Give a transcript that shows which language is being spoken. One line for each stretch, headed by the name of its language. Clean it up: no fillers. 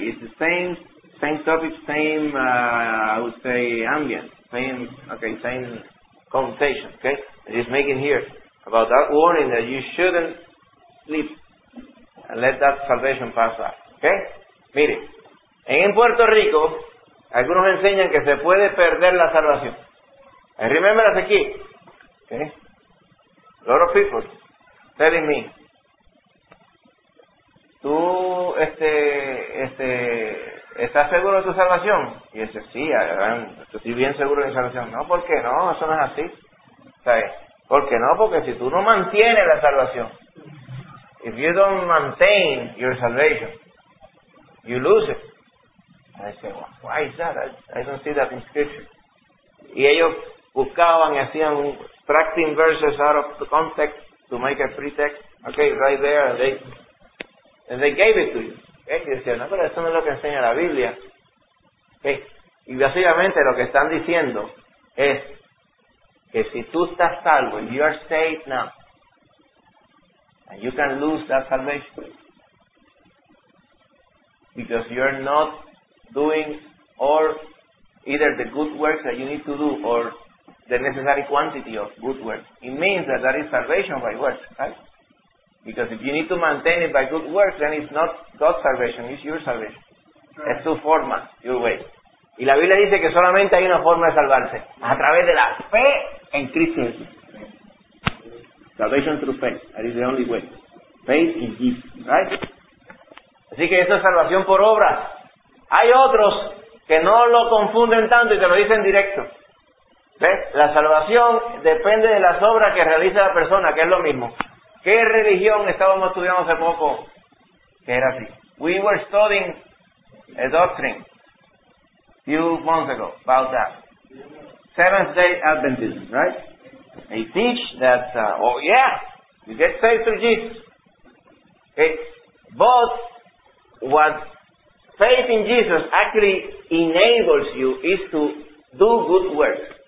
English: It's the same topic, same, I would say, ambient, same conversation, okay? That he's making here about that warning that you shouldn't sleep and let that salvation pass by, okay?
Spanish: Mire, en Puerto Rico, algunos enseñan que se puede perder la salvación.
English: I remember that
Spanish: aquí,
English: okay? A lot of people telling me,
Spanish: tú, ¿estás seguro de tu salvación? Y dice, sí, estoy bien seguro de mi salvación. No, ¿por qué no? Eso no es así. ¿Sabes? ¿Por qué no? Porque si tú no mantienes la salvación,
English: if you don't maintain your salvation, you lose it. I say, well, why is that? I don't see that in scripture.
Spanish: Y ellos buscaban y hacían
English: extracting verses out of the context to make a pretext. Okay, right there, they gave it to you.
Spanish: Okay, y decía, no, pero eso no es lo que enseña la Biblia.
English: Okay.
Spanish: Y básicamente lo que están diciendo es que si tú estás salvo,
English: if you are saved now, and you can lose that salvation because you are not doing or either the good works that you need to do or the necessary quantity of good works, it means that there is salvation by works, right? Because if you need to maintain it by good works, then it's not God's salvation, it's your salvation.
Spanish: Right. Es tu forma,
English: your way.
Spanish: Y la Biblia dice que solamente hay una forma de salvarse, a través de la fe en Cristo Jesús.
English: Salvation through faith, that is the only way. Faith in Jesus, right?
Spanish: Así que eso es salvación por obras. Hay otros que no lo confunden tanto y te lo dicen directo. ¿Ves? La salvación depende de las obras que realiza la persona, que es lo mismo. ¿Qué religión estábamos estudiando hace poco que era así?
English: We were studying a doctrine a few months ago about that. Seventh-day Adventism, right? They teach that, you get saved through Jesus. Okay? But what faith in Jesus actually enables you is to do good works.